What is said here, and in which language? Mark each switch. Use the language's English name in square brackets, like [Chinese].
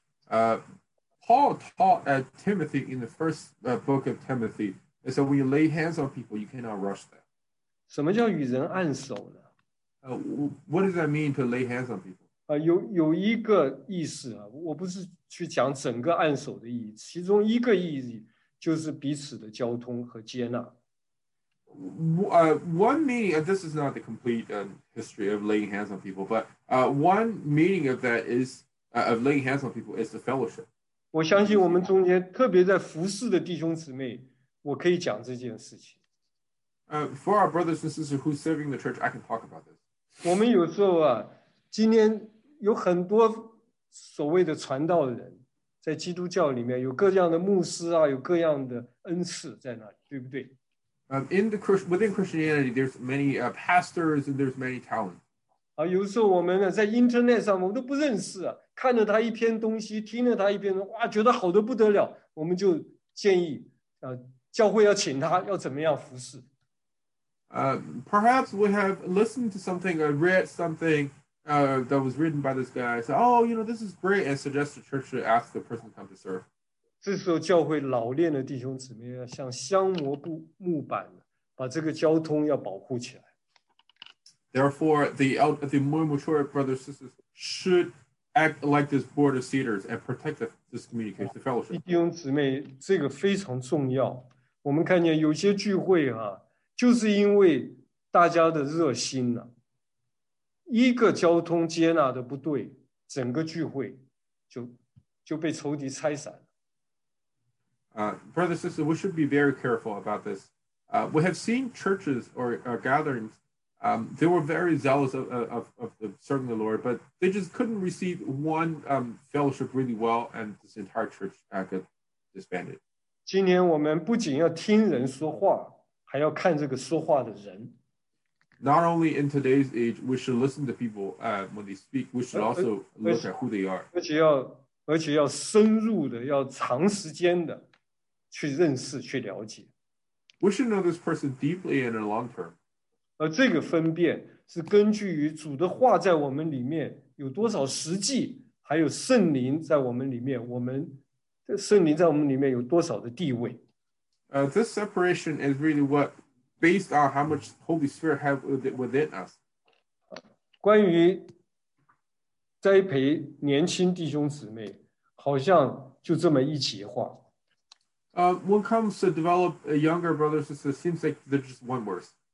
[English] Paul taught at Timothy in the first book of Timothy, and so when you lay hands on people, you cannot rush them. [Chinese] 什么叫与人按手呢? [English] What does that mean to lay hands on people? [Chinese] 有一个意思啊, 我不是去讲整个按手的意义, 其中一个意义, 就是彼此的交通和接纳。 [English] One meaning, and this is not the complete history of laying hands on people, but one meaning of that is, of laying hands on people is the fellowship. [Chinese] 我相信我们中间特别在服侍的弟兄姊妹，我可以讲这件事情。 [English] For our brothers and sisters who's serving the church, I can talk about this. [Chinese] 我们有时候啊，今天有很多所谓的传道的人，在基督教里面有各样的牧师啊，有各样的恩赐在那里，对不对？ [English] In the within Christianity, there's many pastors and there's many talents. [Chinese] 啊，有时候我们呢在 Internet 上，我们都不认识啊，看着他一篇东西，听着他一篇，哇，觉得好得不得了，我们就建议啊，教会要请他要怎么样服侍。 [English] Perhaps we have listened to something, read something, that was written by this guy. Said, "Oh, you know, this is great," and suggest the church to ask the person to come to serve. [Chinese] 这时候，教会老练的弟兄姊妹要像香磨布木板，把这个交通要保护起来。 [English] Therefore, the more mature brothers and sisters should act like this board of cedars and protect this communication, the fellowship. [Chinese] 弟兄姊妹，这个非常重要。我们看见有些聚会啊。就是因为大家的热心呢、啊，一个交通接纳的不对，整个聚会就被仇敌拆散了。 [English] Brother, sister, we should be very careful about this. We have seen churches or gatherings, they were very zealous of serving the Lord, but they just couldn't receive one fellowship really well, and this entire church got disbanded. [Chinese] 今天我们不仅要听人说话。还要看这个说话的人。 [English] Not only in today's age, we should listen to people when they speak. We should also look at who they are. [Chinese] 而且要深入的，要长时间的去认识、去了解。 [English] We should know this person deeply and in long term. [Chinese] 而这个分辨是根据于主的话在我们里面有多少实际，还有圣灵在我们里面，我们的圣灵在我们里面有多少的地位。 [English] This separation is really what based on how much Holy Spirit have within us. [Chinese] 关于栽培年轻弟兄姊妹，好像就这么一席话。 [English] When it comes to develop a younger brothers and sisters, it seems like they're just one verse.